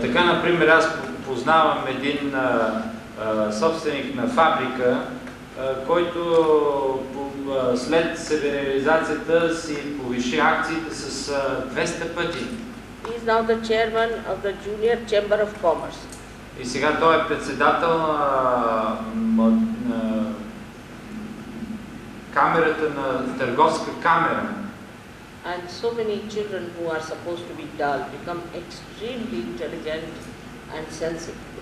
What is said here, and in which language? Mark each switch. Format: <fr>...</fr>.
<bg>Така, например, аз познавам един собственик на фабрика, който след себерализацията си повиши акциите с 200 пъти.</bg> <en>He is now the chairman of the Junior Chamber of Commerce.</en> <bg>И сега той е председател на камерата на търговска камера.</bg> <en>And so many children who are supposed to be dull become extremely intelligent and sensitive.</en>